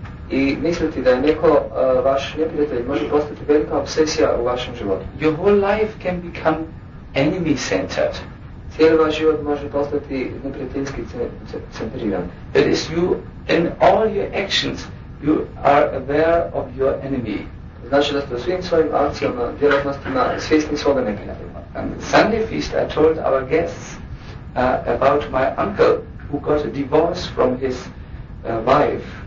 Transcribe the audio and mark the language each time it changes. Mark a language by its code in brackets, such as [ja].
[bs] I misliti da je neko vaš neprijatelj može postati velika obsesija u vašem životu. [en] Your whole life can become enemy-centered. [bs] Cijeli vaš život može postati neprijateljski centriran. [en] That is, you, in all your actions, you are aware of your enemy. [bs] Znači da ste svim svojim akcijama, djelatnostima, svjesni svoga neprijatelja. [en] On Sunday feast I told our guests about my uncle who got a divorce from his wife.